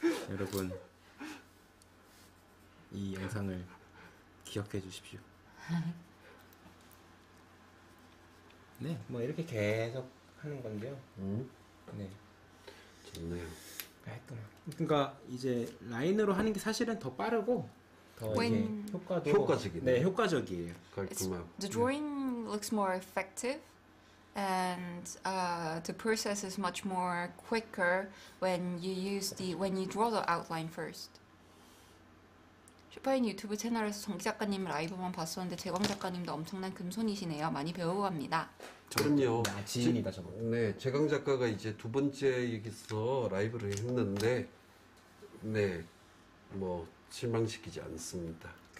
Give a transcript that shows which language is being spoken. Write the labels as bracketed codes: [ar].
[ko] 여러분, 이 영상을 기억해 주십시오. 네, 뭐 이렇게 계속 하는 건데요. 네, 깔끔하게. 그러니까 이제 라인으로 하는 게 사실은 더 빠르고 더 이제 [en] When [ko] 효과도 네, 효과적이네요. 효과적이에요. [en] It's [ko] 깔끔하고. [en] the drawing looks more effective and the process is much more quicker when you use the when you draw the outline first. [ko] 슈퍼인 유튜브 채널에서 정기 작가님 라이브만 봤었는데 재광 작가님도 엄청난 금손이시네요. 많이 배워갑니다. 그럼요. 나 지인이다 저거. 네, 제강 작가가 이제 두 번째 여기서 라이브를 했는데, 네, 뭐 실망시키지 않습니다.